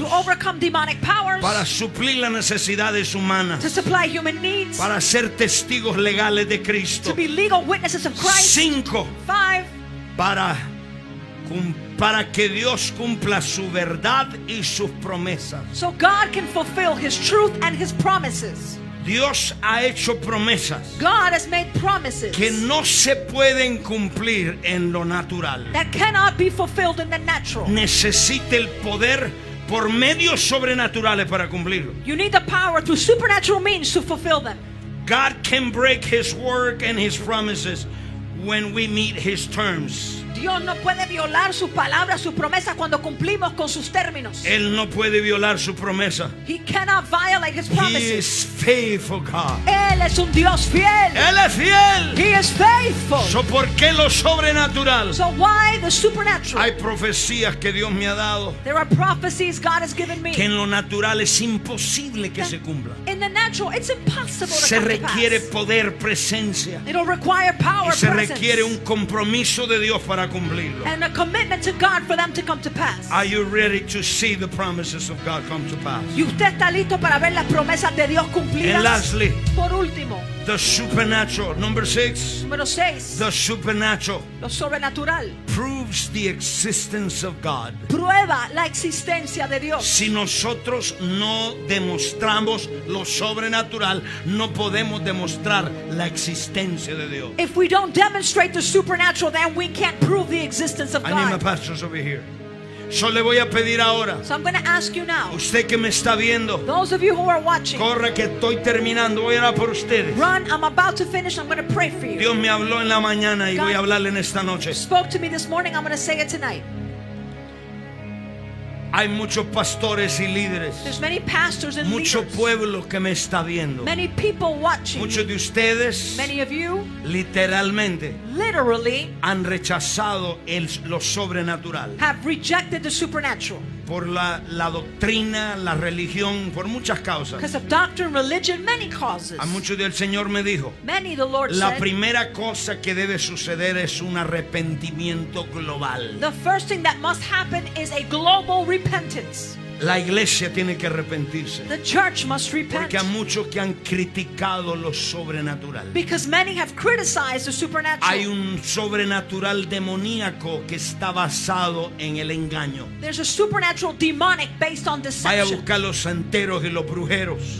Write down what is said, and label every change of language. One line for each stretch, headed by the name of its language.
English: To overcome demonic powers.
Spanish: Para suplir las necesidades humanas.
English: To supply human needs.
Spanish: Para ser testigos legales de Cristo.
English: To be legal witnesses of Christ. 5. 5.
Spanish: Para que Dios cumpla su verdad y sus promesas.
English: So God can fulfill his truth and his promises.
Spanish: Dios ha hecho promesas.
English: God has made promises.
Spanish: Que no se pueden cumplir en lo natural.
English: That cannot be fulfilled in the natural.
Spanish: Necesita el poder por medios sobrenaturales para cumplirlo.
English: You need the power through supernatural means to fulfill them. God can break his word and his promises when we meet his terms.
Spanish: Dios no puede violar su palabra, su promesa cuando cumplimos con sus términos. Él no puede violar su promesa.
English: He cannot violate his promises. He is faithful God.
Spanish: Él es un Dios fiel. Él es fiel.
English: He is faithful.
Spanish: So, ¿por qué lo sobrenatural?
English: So why the supernatural?
Spanish: Hay profecías que Dios me ha dado.
English: There are prophecies God has given me.
Spanish: Que en lo natural es imposible que se cumpla.
English: In the natural, it's impossible to come to pass.
Spanish: Se requiere poder, presencia.
English: It'll require power, presence.
Spanish: Se requiere un compromiso de Dios para cumplirlo.
English: And a commitment to God for them to come to pass. Are you ready to see the promises of God come to pass?
Spanish: ¿Y usted está listo para ver las promesas de Dios cumplidas?
English: And lastly,
Spanish: por último,
English: the supernatural. Number 6.
Spanish: Número 6.
English: The supernatural.
Spanish: Lo sobrenatural.
English: Proves the existence of God.
Spanish: Prueba la existencia de Dios. Si nosotros no demostramos lo sobrenatural, no podemos demostrar la existencia de Dios.
English: If we don't demonstrate the supernatural, then we can't prove the existence of God. I need my pastors over here.
Spanish: Yo le voy a pedir ahora.
English: So I'm going to ask you now.
Spanish: Usted que me está viendo.
English: Those of you who are watching.
Spanish: Corre que estoy terminando. Voy a orar por ustedes.
English: Run, I'm about to finish. I'm going to pray for you.
Spanish: Dios me habló en la mañana y
English: God
Spanish: voy a hablarle en esta noche.
English: Spoke to me this morning. I'm going to say it tonight.
Spanish: Hay muchos pastores y líderes.
English: There's many pastors and
Spanish: mucho
English: leaders.
Spanish: Pueblo que me está viendo.
English: Many people watching.
Spanish: Muchos de ustedes.
English: Many of you.
Spanish: Literalmente.
English: Literally.
Spanish: Han rechazado lo sobrenatural.
English: Have rejected the supernatural.
Spanish: Por la doctrina, la religión, por muchas causas.
English: Because of doctrine, religion, many causes.
Spanish: A muchos del Señor me dijo.
English: Many the Lord
Spanish: la
English: said.
Spanish: La primera cosa que debe suceder es un arrepentimiento global.
English: The first thing that must happen is a global repentance.
Spanish: La iglesia tiene que arrepentirse.
English: The church must repent.
Spanish: Porque hay muchos que han criticado lo sobrenatural.
English: Because many have criticized the supernatural.
Spanish: Hay un sobrenatural demoníaco que está basado en el engaño.
English: There's a supernatural demonic based on deception.
Spanish: Vaya a buscar los santeros y los brujeros.